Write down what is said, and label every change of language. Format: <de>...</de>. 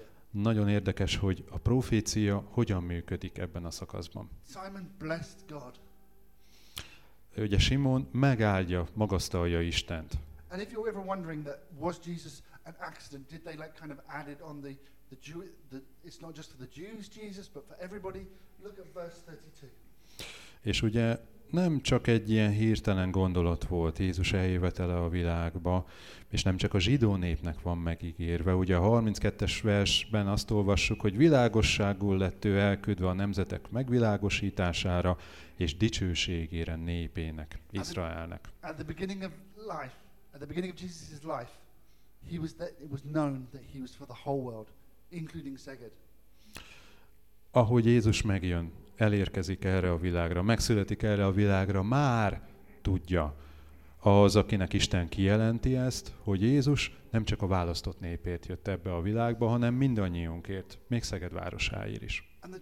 <hu>Nagyon érdekes, hogy a profécia hogyan működik ebben a szakaszban.</hu> <en>Simon blessed God.</en> <hu>Ugye Simon megáldja, magasztalja Istent.</hu> <en>And if you're ever wondering that was Jesus an accident, did they like kind of add it on the it's not just for the Jews Jesus, but for everybody, look at verse 32.</en> <hu>És ugye nem csak egy ilyen hirtelen gondolat volt Jézus eljövetele a világba, és nem csak a zsidó népnek van megígérve. Ugye a 32-es versben azt olvassuk, hogy világosságul lett ő elküldve a nemzetek megvilágosítására és dicsőségére népének, Izraelnek.</hu> <en>At the beginning of Jesus' life, it was known that he was for the whole world, including Szeged.</en> <hu>ahogy Jézus megjön, elérkezik erre a világra, megszületik erre a világra, már tudja az, akinek Isten kijelenti ezt, hogy Jézus nem csak a választott népért jött ebbe a világba, hanem mindannyiunkért, még Szeged városáért is.</hu>